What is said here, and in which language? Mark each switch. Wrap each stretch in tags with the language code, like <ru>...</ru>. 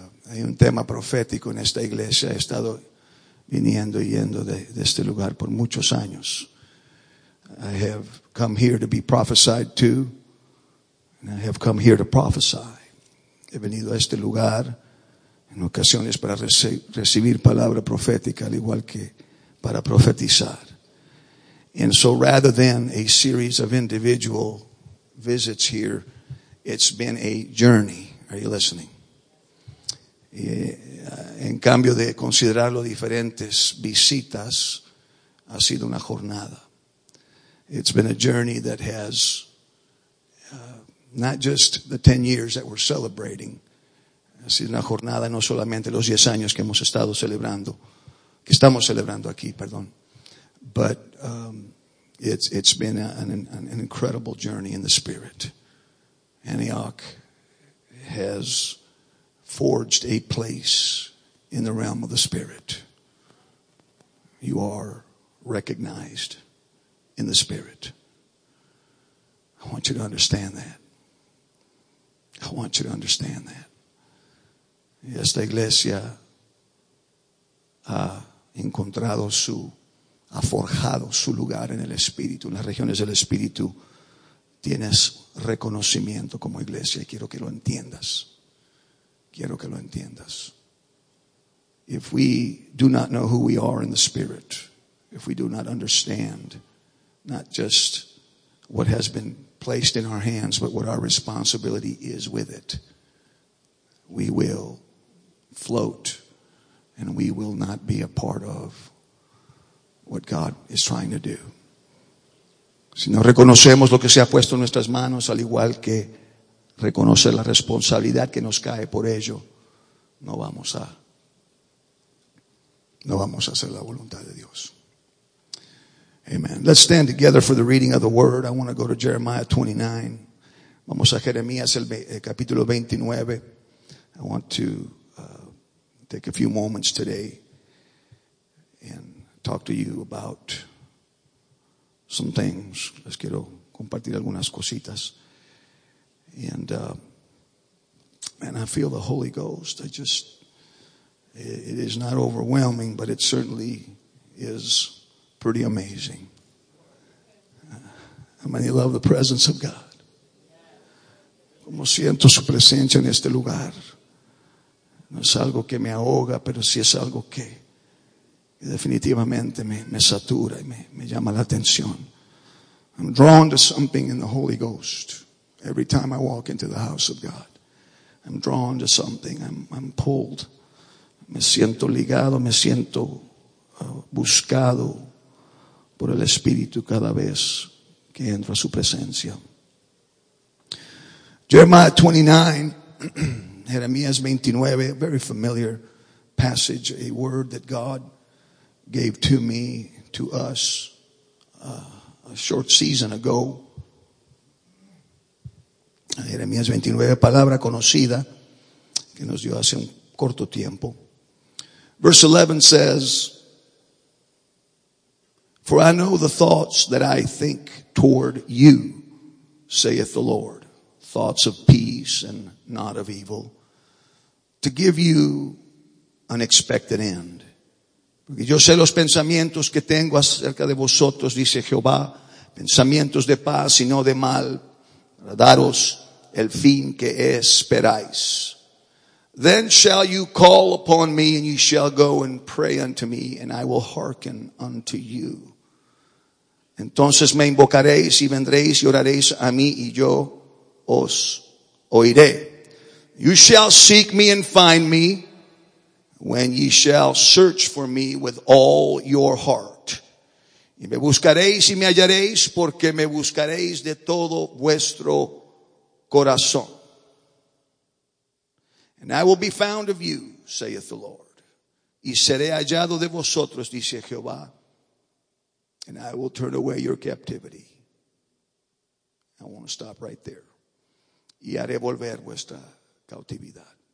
<es>Hay un tema profético en esta iglesia. He estado viniendo y yendo de este lugar por muchos años.</es> <en>I have come here to be prophesied to, and I have come here to prophesy.</en> <es>He venido a este lugar en ocasiones para recibir palabra profética, al igual que para profetizar.</es> <en>And so rather than a series of individual visits here, it's been a journey. Are you listening?</en> <es>En cambio de considerarlo diferentes visitas, ha sido una jornada.</es> <en>It's been a journey that has not just the 10 years that we're celebrating.</en> <es>Ha sido una jornada no solamente los 10 años que hemos estado celebrando, que estamos celebrando aquí, perdón.</es> <en>But it's been an incredible journey in the Spirit. Antioch has forged a place in the realm of the Spirit. You are recognized in the Spirit. I want you to understand that. I want you to understand that.</en> <es>Esta iglesia ha encontrado su, ha forjado su lugar en el Espíritu, en las regiones del Espíritu. Tienes reconocimiento como iglesia y quiero que lo entiendas. Quiero que lo entiendas.</es> <en>If we do not know who we are in the Spirit, if we do not understand not just what has been placed in our hands, but what our responsibility is with it, we will float and we will not be a part of what God is trying to do.</en> <es>Si no reconocemos lo que se ha puesto en nuestras manos, al igual que reconocer la responsabilidad que nos cae por ello, no vamos a hacer la voluntad de Dios. Amen.</es> <en>Let's stand together for the reading of the word. I want to go to Jeremiah 29.</en> <es>Vamos a Jeremías, el capítulo 29.</es> <en>I want to take a few moments today and talk to you about some things.</en> <es>Les quiero compartir algunas cositas.</es> <en>And man, I feel the Holy Ghost. It is not overwhelming, but it certainly is pretty amazing. How many love the presence of God?</en> <es>Como siento su presencia en este lugar. No es algo que me ahoga, pero sí es algo que definitivamente me satura y me llama la atención.</es> <en>I'm drawn to something in the Holy Ghost. Every time I walk into the house of God, I'm drawn to something. I'm pulled.</en> <es>Me siento ligado, me siento buscado por el Espíritu cada vez que entro a su presencia.</es> <en>Jeremiah 29, Jeremías 29, a very familiar passage, a word that God gave to me, to us, a short season ago.</en> <es>Jeremías 29, palabra conocida que nos dio hace un corto tiempo.</es> <en>Verse 11 says, "For I know the thoughts that I think toward you, saith the Lord, thoughts of peace and not of evil, to give you an expected end.</en> <es>Porque yo sé los pensamientos que tengo acerca de vosotros, dice Jehová, pensamientos de paz y no de mal, para daros el fin que esperáis.</es> <en>Then shall you call upon me, and you shall go and pray unto me, and I will hearken unto you.</en> <es>Entonces me invocaréis, y vendréis, y oraréis a mí, y yo os oiré.</es> <en>You shall seek me and find me, when ye shall search for me with all your heart.</en> <es>Y me buscaréis, y me hallaréis, porque me buscaréis de todo vuestro corazón.</es> <en>And I will be found of you, saith the Lord.</en> <es>Y seré hallado de vosotros, dice Jehová.</es> <en>And I will turn away your captivity." I want to stop right there.</en> <es>Y haré volver vuestra cautividad.</es>